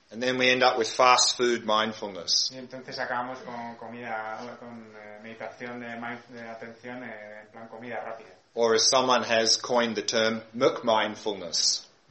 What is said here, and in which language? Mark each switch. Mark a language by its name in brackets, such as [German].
[English] And then we end up with fast food mindfulness. [Spanish] Y entonces acabamos con comida, con meditación de atención en plan comida rápida. [English] Or as someone has coined the term, MUC mindfulness.